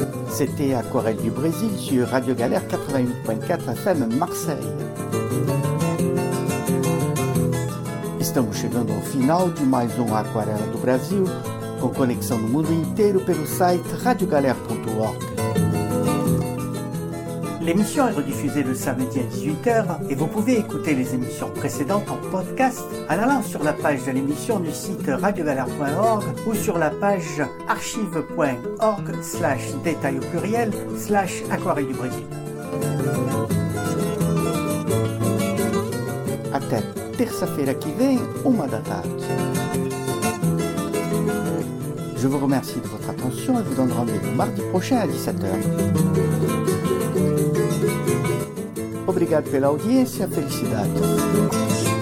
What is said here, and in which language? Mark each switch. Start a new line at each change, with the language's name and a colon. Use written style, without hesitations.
French: C'était Aquarelle du Brésil sur Radio Galère 88.4 FM Marseille.
Portuguese: Estamos chegando ao final de mais Aquarela do Brasil, com conexão no mundo inteiro pelo site radiogalère.org.
French: L'émission est rediffusée le samedi à 18h et vous pouvez écouter les émissions précédentes en podcast en allant sur la page de l'émission du site radiogalère.org ou sur la page archive.org/détails/aquarelle du Brésil.
Portuguese: Até terça-feira que vem, 1 da tarde.
French: Je vous remercie de votre attention et vous donne rendez-vous mardi prochain à 17h.
Portuguese: Obrigado pela audiência, felicidades.